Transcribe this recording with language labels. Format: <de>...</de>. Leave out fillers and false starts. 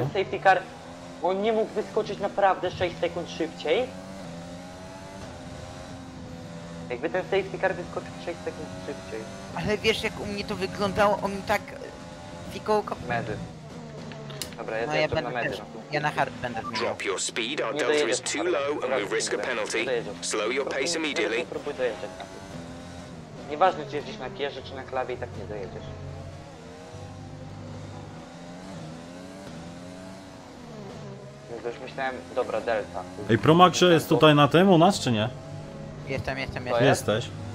<pl>Safety car, on nie mógł wyskoczyć naprawdę 6 sekund szybciej. Jakby ten safety car wyskoczył 6 sekund szybciej. Ale wiesz jak u mnie to wyglądało, on tak... Fikołko... Medy. Dobra, ja, no, ja będę na medy. Ja na hard będę zmieniał.</pl> <en>Drop your speed, our delta is too low and we risk a penalty. Slow your pace immediately.</en> <pl>Próbuj dojeżdżać na tym. Nieważne czy jeździsz na kierze czy na klawie, i tak nie dojedziesz. Więc już myślałem, dobra, delta. Ej, Promaxe jest tutaj na tym u nas, czy nie? Jestem. Jest? Jesteś.</pl>